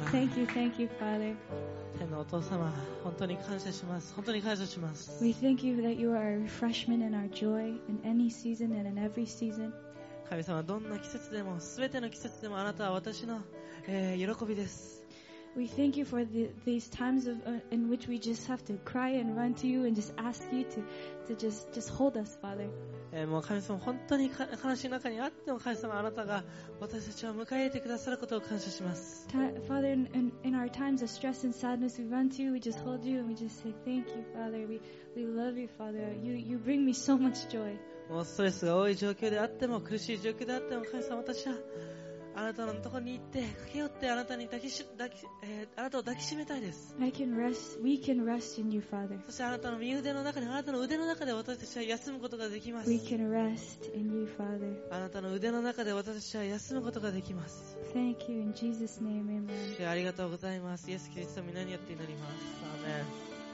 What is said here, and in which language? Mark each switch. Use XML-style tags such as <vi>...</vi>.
<ja>天のお父様、本当に感謝します。本当に感謝します。</ja> <en>We thank you that you are a refreshment and our joy in any season and in every season.</en> <ja>神様、どんな季節でも、すべての季節でも、あなたは私の、喜びです。</ja> <en>We thank you for these times of, in which we just have to cry and run to you and just ask you to just hold us, Father.</en> <ja>もう神様、本当に悲しい中にあっても、神様、あなたが私たちを迎え入れてくださることを感謝します。</ja> <en>Father, in our times of stress and sadness, we run to you, we just hold you, and we just say, thank you, Father. We love you, Father. You bring me so much joy.</en> <ja>もうストレスが多い状況であっても、苦しい状況であっても、神様、私はあなたのところに行って駆け寄ってあなたに抱きし、あなたを抱きしめたいです。</ja> <en>I can rest, we can rest in you, Father.</en> <ja>そしてあなたの右腕の中で、あなたの腕の中で私たちは休むことができます。</ja> <en>We can rest in you, Father.</en> <ja>あなたの腕の中で私たちは休むことができます。</ja> <en>Thank you in Jesus' name, Amen.</en> <ja>ありがとうございます。イエス・キリストの御名によって祈ります。アーメン。</ja>